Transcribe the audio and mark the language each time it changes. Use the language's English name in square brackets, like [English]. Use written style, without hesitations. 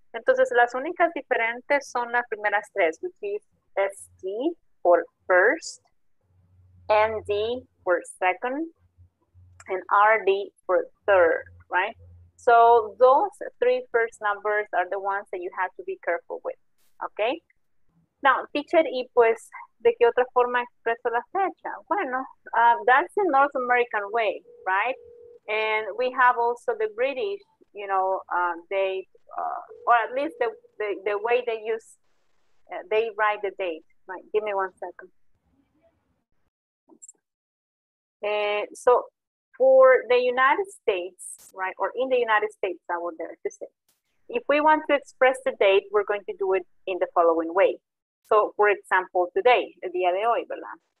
[Spanish] Entonces, las únicas diferentes son las primeras tres, [English] which is SD for first, ND for second, and RD for third, right? So those three first numbers are the ones that you have to be careful with, okay? Now, teacher, [Spanish] ¿y pues de qué otra forma expreso la fecha? [English] Bueno, that's the North American way, right? And we have also the British, you know, they, or at least the way they use, they write the date. Right, give me 1 second. So for the United States, right, or in the United States, I would dare to say, if we want to express the date, we're going to do it in the following way. So for example, today, [Spanish] el día de hoy, ¿verdad?